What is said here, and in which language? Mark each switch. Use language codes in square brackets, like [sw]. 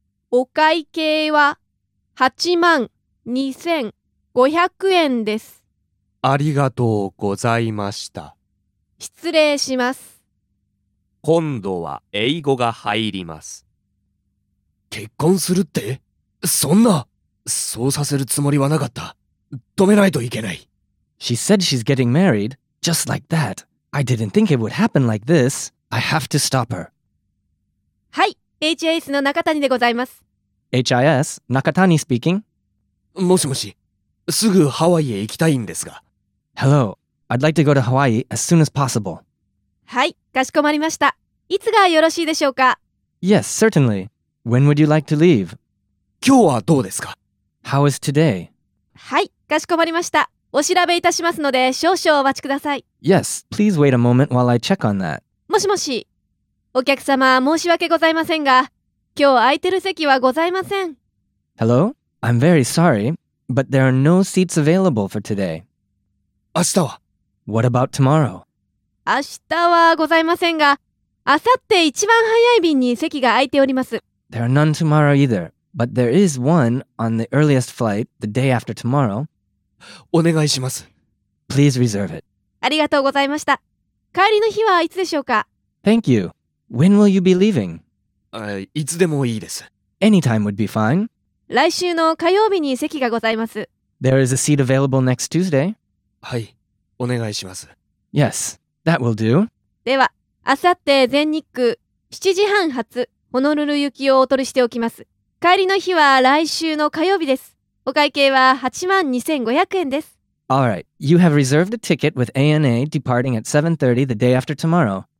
[ja] お会計は8万2500円です。ありがとうございました。失礼します。今度は英語が入ります。結婚するって?そんな! そうさせるつもりはなかった。止めないといけない。 [en] She said she's getting married, just like that. I didn't think it would happen like this. I have to stop her. [ja] はい、HIS の中谷でございます。 [en] HIS、中谷 speaking. [ja] もしもし、すぐハワイへ行きたいんですが。 [en] Hello, I'd like to go to Hawaii as soon as possible. [ja] はい、かしこまりました。いつがよろしいでしょうか。 [en] Yes, certainly. When would you like to leave? [ja] 今日はどうですか? [en] How is today? [ja] はい、かしこまりました。お調べいたしますので少々お待ちください。 [en] Yes, please wait a moment while I check on that. [ja] もしもし、お客様申し訳ございませんが、今日空いてる席はございません。 [en] Hello? I'm very sorry, But there are no seats available for today. [ja] 明日は? [en] What about tomorrow? [ja] 明日はございませんが、明後日一番早い便に席が空いております。 [en] There are none tomorrow either, but there is one on the earliest flight the day after tomorrow. [ja] お願いします。 [en] Please reserve it. [ja] ありがとうございました。帰りの日はいつでしょうか? [en] Thank you. When will you be leaving? [ja] いつでもいいです。 [en] Anytime would be fine. [ja] 来週の火曜日に席がございます。 [en] There is a seat available next Tuesday. [ja] はい、お願いします。 [en] Yes, that will do. [ja] では、あさって全日空7時半発ホノルル行きをお取りしておきます。帰りの日は来週の火曜日です。お会計は82,500円です。 [en] All right. You have reserved a ticket with ANA departing at 7:30 the day after tomorrow.